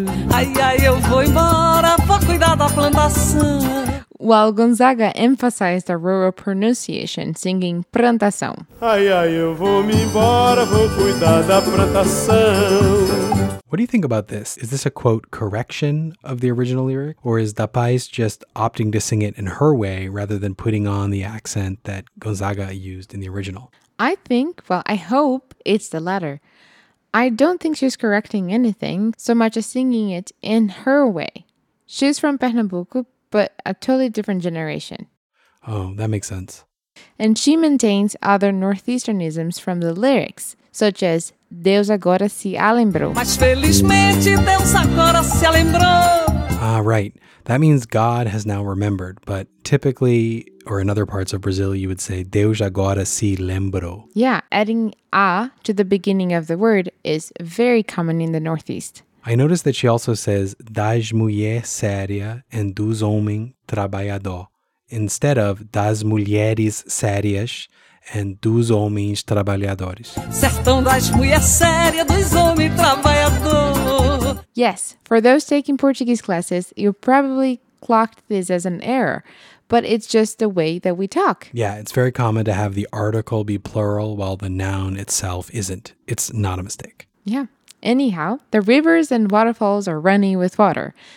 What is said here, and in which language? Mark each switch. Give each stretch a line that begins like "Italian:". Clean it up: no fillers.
Portuguese: Ai, ai, eu vou embora pra cuidar da plantação.
English: While Gonzaga emphasized the rural pronunciation, singing plantação.
Portuguese: Ai, ai, eu vou me embora, vou cuidar da plantação.
English: What do you think about this? Is this a, quote, correction of the original lyric? Or is Da Paz just opting to sing it in her way rather than putting on the accent that Gonzaga used in the original? I think, well, I hope it's the latter. I don't think she's correcting anything so much as singing it in her way. She's from Pernambuco, but a totally different generation. Oh, that makes sense. And she maintains other northeasternisms from the lyrics, such as
Portuguese: Deus agora se alembrou. Mas felizmente Deus agora se alembrou.
English: Ah, right. That means God has now remembered, but typically, or in other parts of Brazil, you would say
Portuguese: Deus agora se lembrou.
English: Yeah, adding a to the beginning of the word is very common in the Northeast. I noticed that she also says
Portuguese: das mulheres sérias
English: and
Portuguese: dos homens trabalhadores
English: instead of das mulheres sérias and dos homens trabalhadores.
Portuguese: Sertão das mulheres sérias, dos homens trabalhadores.
English: Yes, for those taking Portuguese classes, you probably clocked this as an error, but it's just the way that we talk. Yeah, it's very common to have the article be plural while the noun itself isn't. It's not a mistake. Yeah. Anyhow, the rivers and waterfalls are runny with water.